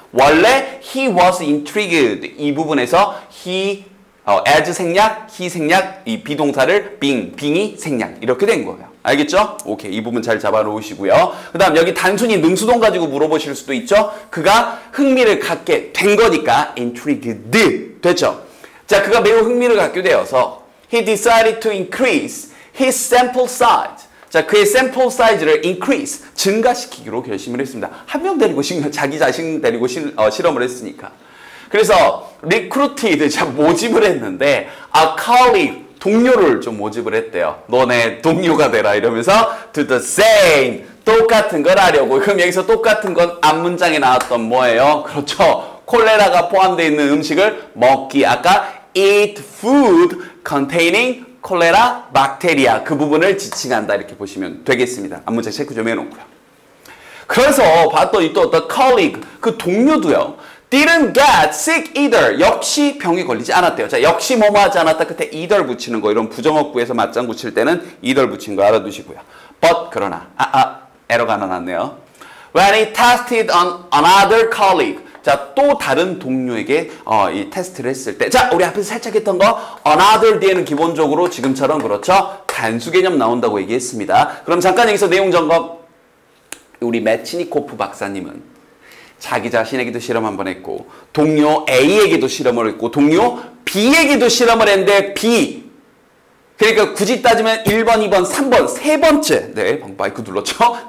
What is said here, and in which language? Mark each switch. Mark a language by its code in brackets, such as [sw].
[ko] 원래 [en] he was intrigued [ko] 이 부분에서 as 생략, he 생략, 이 비동사를 being이 생략 이렇게 된 거예요. 알겠죠? 오케이, 이 부분 잘 잡아놓으시고요. 그 다음 여기 단순히 능수동 가지고 물어보실 수도 있죠. 그가 흥미를 갖게 된 거니까 intrigued 됐죠? 자, 그가 매우 흥미를 갖게 되어서 [en] he decided to increase his sample size. [ko] 자, 그의 샘플 사이즈를 increase, 증가시키기로 결심을 했습니다. 한 명 데리고, 자기 자신 데리고 실험을 했으니까. 그래서 recruited, 자, 모집을 했는데 a colleague, 동료를 좀 모집을 했대요. 너네 동료가 되라 이러면서 [en] to the same, [ko] 똑같은 걸 하려고. 그럼 여기서 똑같은 건 앞 문장에 나왔던 뭐예요? 그렇죠. 콜레라가 포함되어 있는 음식을 먹기. 아까 [en] eat food containing [ko] 콜레라, 박테리아 그 부분을 지칭한다 이렇게 보시면 되겠습니다. 앞문장 체크 좀 해놓고요. 그래서 봤더니 또 [en] the colleague, [ko] 그 동료도요. [en] didn't get sick either. [ko] 역시 병에 걸리지 않았대요. 자, 역시 뭐뭐 하지 않았다. 그때 either 붙이는 거 이런 부정어구에서 맞장 붙일 때는 either 붙인 거 알아두시고요. but 그러나, 에러가 하나 났네요. [en] when he tested on another colleague. [ko] 자, 또 다른 동료에게 이 테스트를 했을 때 자, 우리 앞에서 살짝 했던 거 another 뒤에는 기본적으로 지금처럼 그렇죠? 단수 개념 나온다고 얘기했습니다. 그럼 잠깐 여기서 내용 점검. 우리 매치니코프 박사님은 자기 자신에게도 실험 한번 했고 동료 A에게도 실험을 했고 동료 B에게도 실험을 했는데 B 그러니까 굳이 따지면 1번, 2번, 3번, 세 번째 네, 마이크 눌렀죠?